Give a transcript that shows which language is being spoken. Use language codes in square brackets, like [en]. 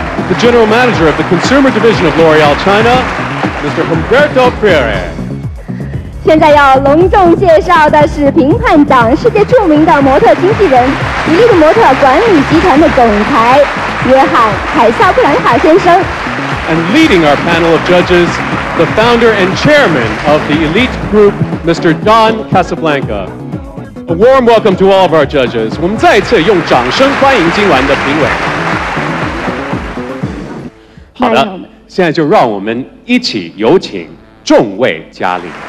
[en] The General Manager of the Consumer Division of L'Oreal China, Mr. Humberto Freire [zh] 现在要隆重介绍的是评判长世界著名的模特经纪人伊丽的模特管理集团的总裁约翰凯撒布兰卡先生 [en] And leading our panel of judges, the founder and chairman of the Elite Group, Mr. Don Casablanca. A warm welcome to all of our judges. [zh] 我们再一次用掌声欢迎今晚的评委。好的，现在就让我们一起有请众位佳丽。